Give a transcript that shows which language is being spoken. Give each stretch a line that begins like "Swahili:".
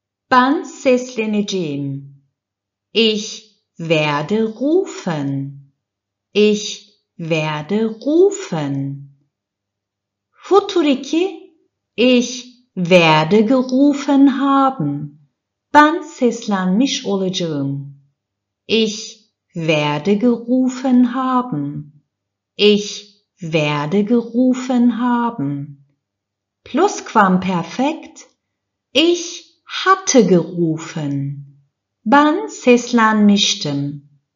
Turkish: Ben sesleneceğim.
German: Ich werde rufen. Ich werde rufen. Futur 2. Ich werde gerufen haben.
Turkish: Ben seslenmiş olacağım.
German: Ich werde gerufen haben. Ich werde gerufen haben. Plusquamperfekt. Ich hatte gerufen.
Turkish: Ben seslenmiştim.